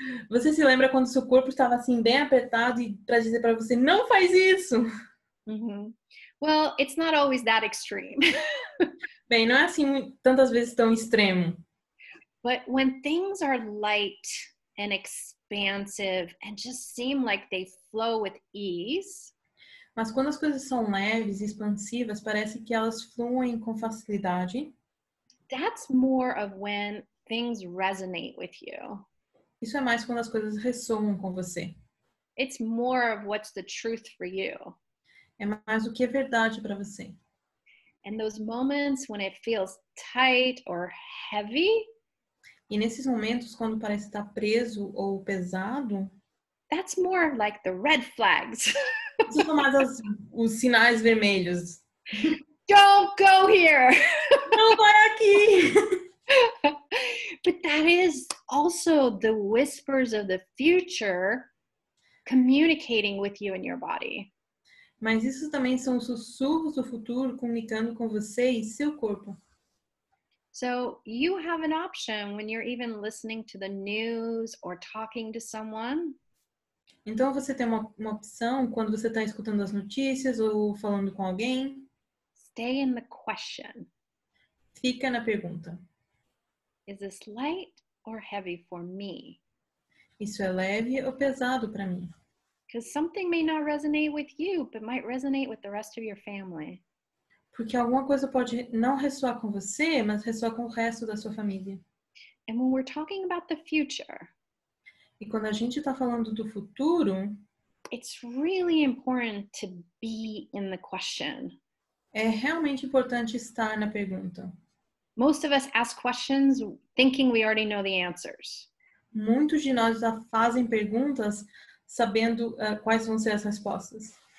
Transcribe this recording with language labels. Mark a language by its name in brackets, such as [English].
[Portuguese] Você se lembra quando seu corpo estava assim bem apertado e para dizer para você não faz isso? [English] Well, it's not always that extreme. [Portuguese] Bem, não é assim tantas vezes tão extremo. [English] But when things are light and expansive and just seem like they flow with ease. [Portuguese] Mas quando as coisas são leves e expansivas, parece que elas fluem com facilidade. [English] That's more of when things resonate with you. [Portuguese] Isso é mais quando as coisas ressoam com você. [English] It's more of what's the truth for you. [Portuguese] É mais o que é verdade para você. [English] And those moments when it feels tight or heavy. [Portuguese] E nesses momentos, quando parece estar preso ou pesado. [English] That's more like the red flags. [Portuguese] São mais os sinais vermelhos. [English] Don't go here. [Portuguese] Não vai aqui. [English] But that is also the whispers of the future communicating with you in your body. [Portuguese] Mas isso também são os sussurros do futuro comunicando com você e seu corpo. [English] So you have an option when you're even listening to the news or talking to someone. [Portuguese] Então você tem uma opção quando você está escutando as notícias ou falando com alguém. [English] Stay in the question. [Portuguese] Fica na pergunta. [English] Is this light or heavy for me? [Portuguese] Isso é leve ou pesado para mim? [English] Because something may not resonate with you, but might resonate with the rest of your family. [Portuguese] Porque alguma coisa pode não ressoar com você, mas ressoar com o resto da sua família. [English] And when we're talking about the future, [Portuguese] e quando a gente está falando do futuro, [English] it's really important to be in the question. [Portuguese] É realmente importante estar na pergunta. [English] Most of us ask questions thinking we already know the answers. [Portuguese] Muitos de nós já fazem perguntas sabendo quais vão ser as respostas.